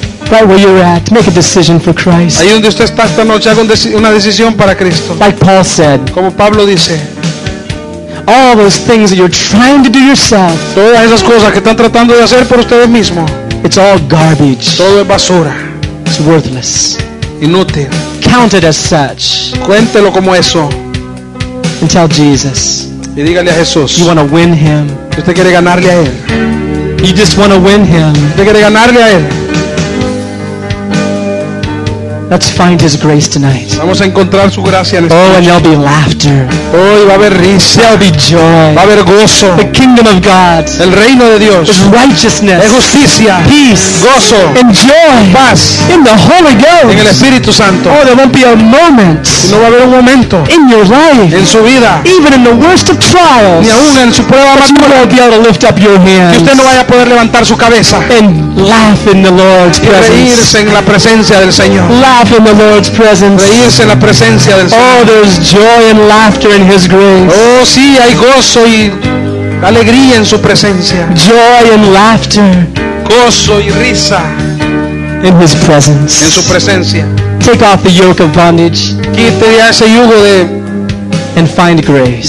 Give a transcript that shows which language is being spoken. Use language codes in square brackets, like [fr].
[en] Right where you're at, make a decision for Christ. [es] Ahí donde usted está esta noche, haga una decisión para Cristo. [en] Like Paul said. [es] Como Pablo dice. [en] All those things that you're trying to do yourself. [es] Todas esas cosas que están tratando de hacer por ustedes mismos. [en] It's all garbage. [es] Todo es basura. [en] It's worthless. [es] Inútil. [en] Count it as such. [es] Cuéntelo como eso. [en] And tell Jesus. [es] Y dígale a Jesús. [en] You want to win him. [es] Usted quiere ganarle a él. [en] You just want to win him. [es] Usted quiere ganarle a él. [en] Let's find His grace tonight. [es] Vamos a encontrar su gracia en esta noche. [en] Oh, and there'll be laughter. [es] Hoy va a haber risa. [en] There'll be joy. [es] Va a haber gozo. [en] The kingdom of God. [es] El reino de Dios. [en] Is righteousness. [es] Es justicia. [en] Peace. [es] Gozo. [en] And joy. [es] Paz. [en] In the Holy Ghost. [es] En el Espíritu Santo. [en] Oh, there won't be a moment. [es] Y no va a haber un momento. [en] In your life. [es] En su vida. [en] Even in the worst of trials. [es] Ni aun en su prueba más dura. [en] But you won't be able to lift up your hands. [es] Que usted no vaya a poder levantar su cabeza. [en] And laugh in the Lord's presence. [es] Y reírse en la presencia del Señor. [en] Laugh in the Lord's presence. [es] Reírse en la presencia del Señor. [en] Oh, there's joy and laughter in His grace. [es] Oh, sí, hay gozo y alegría en su presencia. [en] Joy and laughter. [es] Gozo y risa. [en] In His presence. [es] En su presencia. [en] Take off the yoke of bondage. [es] Quite ya ese yugo de. [en] And find grace.